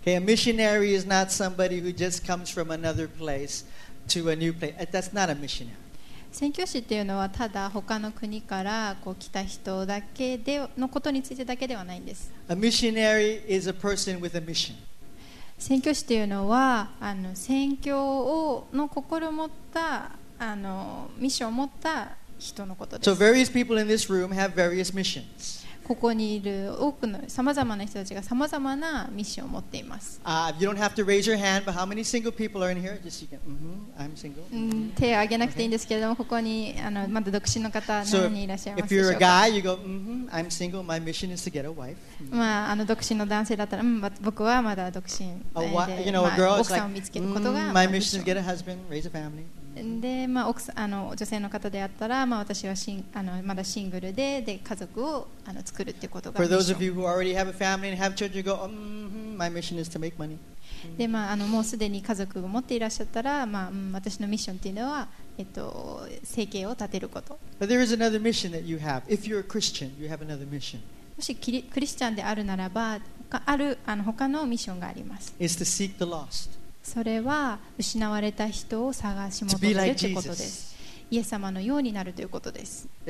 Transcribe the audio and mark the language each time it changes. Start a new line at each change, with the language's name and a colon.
English: Okay, a missionary is not somebody who just comes from another place to a new place. That's not a missionary.
Japanese: 宣教師というのは、ただ他の国からこう来た人だけでのことについてだけではないんです。
English: A missionary is a person with a mission.
Japanese: 宣教師というのは、あの、宣教をの心を持った、あの、ミッションを持った人のことです。
English: So various people in this room have various missions.
Japanese: ここにいる多くの様々な人たちが様々なミッションを持っています。
English: You don't have to raise your hand, but how many single people are in here? Just you can. I'm single.
Japanese: 手を挙げなくていいんですけれども、ここに、あの、まだ独身の方何人いらっしゃいますでしょうか。
English: If you're a guy, you go, I'm single. My mission is to get a wife.
Japanese: まあ、あの、独身の男性だったら、僕はまだ独身で、まあ、
English: you know, a girl,
Japanese: 奥さんを見つけることが、
English: my mission is to get a husband, raise a family.
Japanese: で、まあ、あの、女性の方であったら、まあ、私はあの、まだシングル で家族を、あの、作るっていうことが。
English: For those of you who already have a family and have children, you go, my mission is to make money.
Japanese: で、まあ、あの、もうすでに家族を持っていらっしゃったら、まあ、私のミッションっていうのは、生計を立てること。
English: But there is another mission that you have. If you're a Christian, you have another mission.
Japanese: もしクリスチャンであるならば、ある、あの、他のミッションがあります。
English: It's to seek the lost.
Japanese: それは失われた人を探し求めるということです。イエス様のようになるということです。